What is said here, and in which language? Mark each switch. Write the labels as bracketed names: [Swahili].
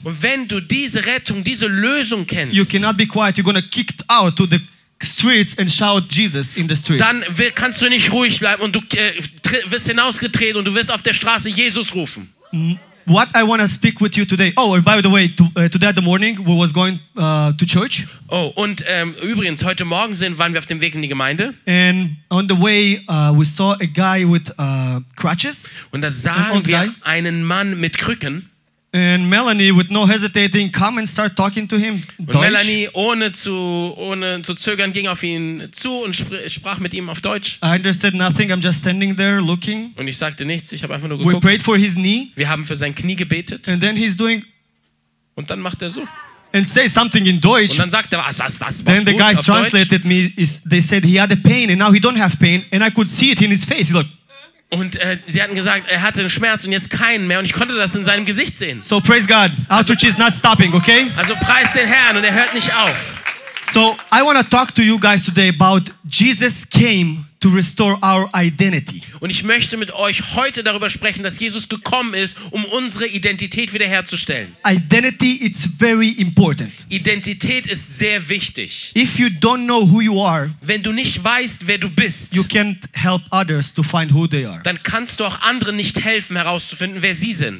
[German] Und wenn du diese Rettung, diese Lösung kennst. [English] You cannot be quiet. You're going to kick out to the streets and shout Jesus in the streets. [German] Dann kannst du nicht ruhig bleiben und du wirst hinausgetreten und du wirst auf der Straße Jesus rufen. [English] What I want to speak with you today. Oh, and by the way, today at the morning we was going to church. [German] Oh, und übrigens, heute Morgen waren wir auf dem Weg in die Gemeinde. [English] And on the way we saw a guy with crutches. [German] Und da sahen wir einen Mann mit Krücken. [English] And Melanie, with no hesitating, come and start talking to him. [German] Und Melanie, ohne zu zögern, ging auf ihn zu und sprach mit ihm auf Deutsch. [English] I understood nothing. I'm just standing there looking. [German] Und ich sagte nichts. Ich habe einfach nur geguckt. [English] We prayed for his knee. [German] Wir haben für sein Knie gebetet. [English] And then he's doing. [German] Und dann macht er so. [English] And say something in Deutsch. [German] Und dann sagt er, was [English] then the guys translated me. They said he had a pain and now he don't have pain and I could see it in his face. He's like. [German] Und sie hatten gesagt, er hatte einen Schmerz und jetzt keinen mehr und ich konnte das in seinem Gesicht sehen. [English] So praise God. Outreach is not stopping, okay? [German] Also preist den Herrn und er hört nicht auf. [English] So I want to talk to you guys today about Jesus came to restore our identity. [German] Und ich möchte mit euch heute darüber sprechen, dass Jesus gekommen ist, um unsere Identität wiederherzustellen. [English] Identity is very important. [German] Identität ist sehr wichtig. [English] If you don't know who you are, [German] wenn du nicht weißt, wer du bist, [English] you can't help others to find who they are. [German] Dann kannst du auch anderen nicht helfen, herauszufinden, wer sie sind.